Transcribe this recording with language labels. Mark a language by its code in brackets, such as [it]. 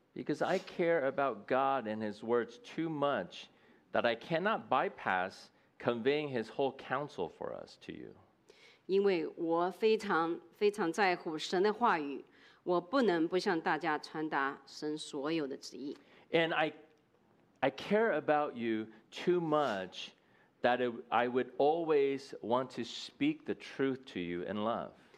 [en] Because I care about God and His words too much. That I cannot bypass conveying His whole counsel for us to you. [zh] 因为我非常非常在乎神的话语，我不能不向大家传达神所有的旨意。 [en] And I care about you too much that I would always want to speak the truth to you in love.